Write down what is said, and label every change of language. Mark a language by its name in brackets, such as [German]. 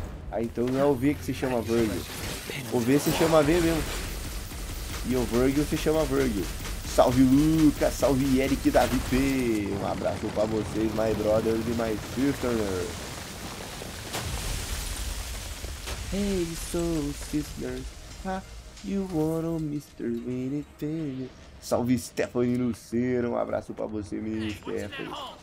[Portuguese] Ah, então não é o V que se chama Virgil. O V se chama V mesmo. E o Virgil se chama Virgil. Salve Lucas, salve Eric da VP. Um abraço pra vocês, [English] my brothers [Portuguese] e [English] my sisters. Hey, soul sisters, ha, you want a Mr. Minifigure? [Portuguese] Salve, Stephanie Lucero, um abraço pra você, menino hey, Stephanie.